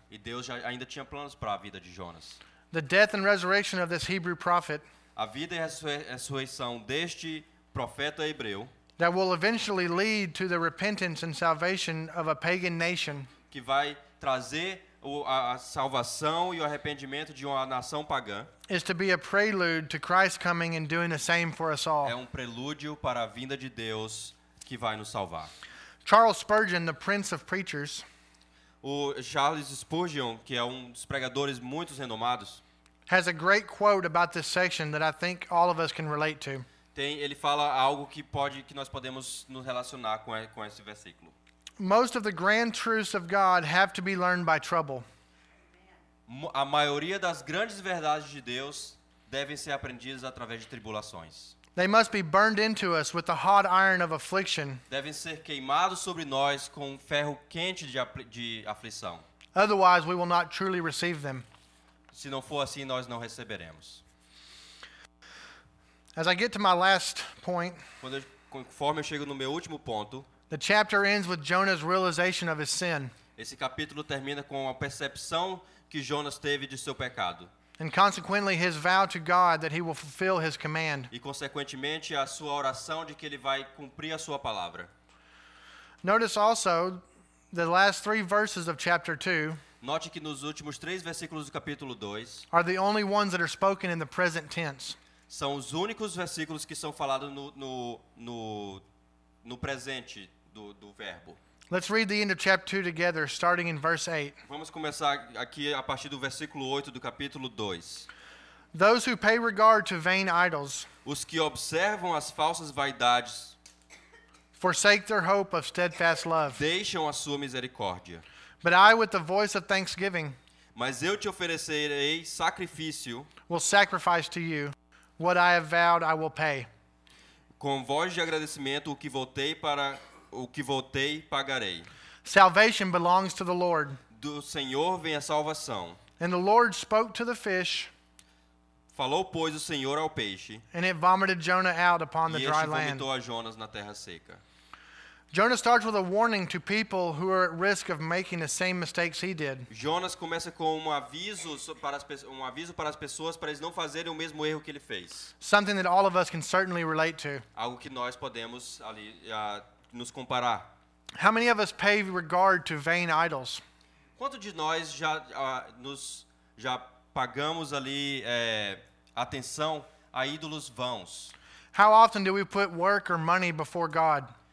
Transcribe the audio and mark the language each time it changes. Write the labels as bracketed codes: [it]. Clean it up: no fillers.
[pt] E Deus já ainda tinha planos para a vida de Jonas. [en] The death and resurrection of this Hebrew prophet. [pt] A vida e a ressurreição deste profeta hebreu. [en] That will eventually lead to the repentance and salvation of a pagan nation. [pt] Que vai trazer a salvação e o arrependimento de uma nação pagã. [en] Is to be a prelude to Christ coming and doing the same for us all. [pt] É prelúdio para a vinda de Deus que vai nos salvar. [en] Charles Spurgeon, the prince of preachers. [pt] O Charles Spurgeon, que é dos pregadores muito renomados, [en] has a great quote about this section that I think all of us can relate to. [pt] Ele fala algo que nós podemos nos relacionar com esse versículo. [en] Most of the grand truths of God have to be learned by trouble. [pt] A maioria das grandes verdades de Deus devem ser aprendidas através de tribulações. [en] They must be burned into us with the hot iron of affliction. [pt] Devem ser queimados sobre nós com ferro quente de aflição. [en] Otherwise, we will not truly receive them. [pt] Se não for assim, nós não receberemos. [en] As I get to my last point, [pt] conforme eu chego no meu último ponto, [en] the chapter ends with Jonah's realization of his sin. [pt] Esse capítulo termina com a percepção que Jonas teve de seu pecado. [en] And consequently, his vow to God that he will fulfill his command. [pt] E consequentemente, a sua oração de que ele vai cumprir a sua palavra. [en] Notice also the last three verses of chapter 2. [pt] Note que nos últimos três versículos do capítulo 2. [en] Are the only ones that are spoken in the present tense. [pt] São os únicos versículos que são falados no presente do verbo. [en] Let's read the end of chapter 2 together, starting in verse 8. [pt] Vamos começar aqui a partir do versículo 8 do capítulo 2. [en] Those who pay regard to vain idols, [pt] os que observam as falsas vaidades, [en] forsake their hope of steadfast love, [pt] deixam a sua misericórdia. [en] But I, with the voice of thanksgiving, [pt] mas eu te oferecerei sacrifício, [en] will sacrifice to you what I have vowed I will pay. [pt] Com voz de agradecimento, o que votei pagarei. [en] Salvation belongs to the Lord. [pt] Do Senhor vem a salvação. [en] And the Lord spoke to the fish. [pt] Falou, pois, o Senhor ao peixe. [en] And it vomited Jonah out upon the dry land. [pt] E este vomitou a Jonas na terra seca. [en] Jonah starts with a warning to people who are at risk of making the same mistakes he did. [pt] Jonas começa com um aviso para as pessoas para eles não fazerem o mesmo erro que ele fez. [en] Something that all of us can certainly relate to. [pt] Algo que nós podemos ali nos comparar. [en] How many of us pay regard to vain idols? [pt] Quanto de nós já pagamos ali atenção a ídolos vãos? [en] How often do we put work or money before God?